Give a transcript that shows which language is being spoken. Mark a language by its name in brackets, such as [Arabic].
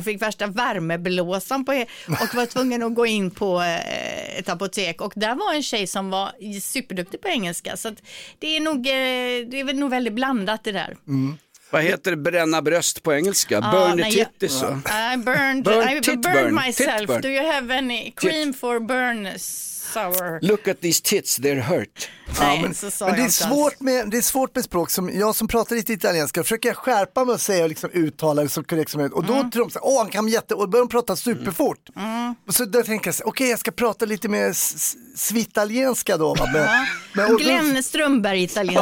[Swedish] Fick värsta värmeblåsan på och var tvungen att gå in på ett apotek. Och där var en tjej som var superduktig på engelska. Så att det är nog väldigt blandat det där. Vad heter det, bränna bröst på engelska? [English] Burned titties. I burned myself. Do you have any cream for burn sour? Look at these tits, they're hurt. [Swedish] Det är svårt med språk. Som jag som pratar lite italienska försöker jag skärpa mig och säga och liksom uttala det så korrekt som möjligt. Och då tror de så här, han kan jätte... Och börjar de prata superfort. Och så då tänker jag, okej, jag ska prata lite mer svitalienska då. Glenn Strömberg italienska.